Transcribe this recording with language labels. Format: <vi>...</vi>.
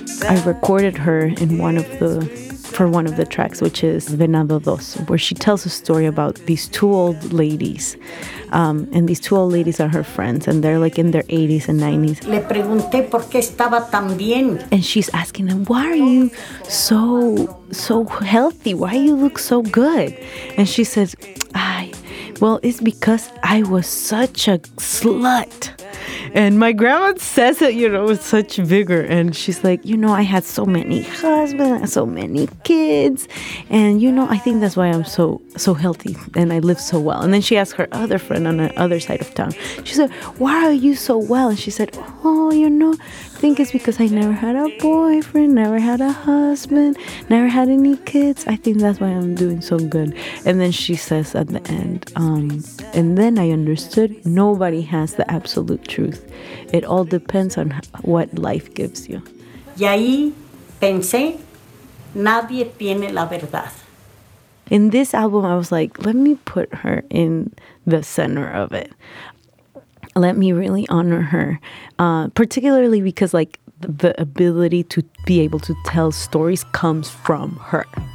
<en>I recorded her for one of the tracks, which is Venado Dos, where she tells a story about these two old ladies. And these two old ladies are her friends, and they're like in their 80s and 90s.</en> <es>Le pregunté por qué estaba tan bien.</es> <en>And she's asking them, why are you so healthy? Why do you look so good? And she says, it's because I was such a slut. And my grandma says it, you know, with such vigor. And she's like, you know, I had so many husbands, so many kids. And, you know, I think that's why I'm so healthy and I live so well. And then she asked her other friend on the other side of town. She said, why are you so well? And she said, oh, you know, I think it's because I never had a boyfriend, never had a husband, never had any kids. I think that's why I'm doing so good. And then she says at the end, and then I understood nobody has the absolute truth. It all depends on what life gives you.</en> <es>Y ahí pensé, nadie tiene la verdad.</es> <en>In this album, I was like, let me put her in the center of it. Let me really honor her, particularly because, like, the ability to be able to tell stories comes from her.</en>